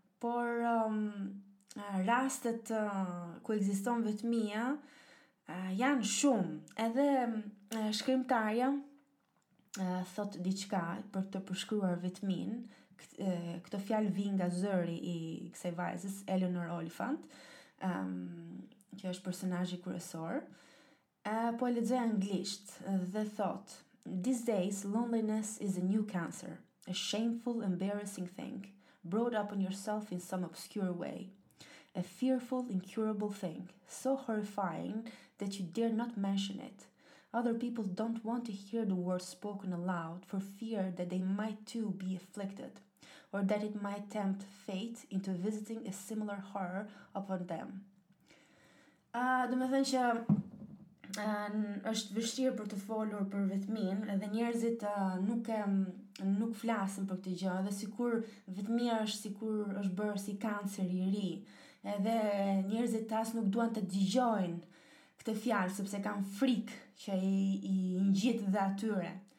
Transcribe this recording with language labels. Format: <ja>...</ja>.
<sq>Por rastet ku ekziston vetmia janë shumë. Edhe shkrimtarja thot diçka për të përshkruar vetmin. Këto fjalë vijnë nga zëri i kësaj vajzës, Eleanor Oliphant, që është personazhi kryesor. Po e lexoj anglisht dhe thot:</sq> <en>"These days, loneliness is a new cancer, a shameful, embarrassing thing, brought upon yourself in some obscure way. A fearful, incurable thing, so horrifying that you dare not mention it. Other people don't want to hear the word spoken aloud for fear that they might too be afflicted, or that it might tempt fate into visiting a similar horror upon them."</en> <sq>Do me thënë që është vështirë për të folur për vetmin, edhe njerëzit nuk flasin për këtë gjë, dhe sikur vetmia është sikur është bërë si kancer i ri, edhe njerëzit as nuk duan të dëgjojnë këtë fjalë sepse kanë frikë që i ngjit dhe atyre.</sq>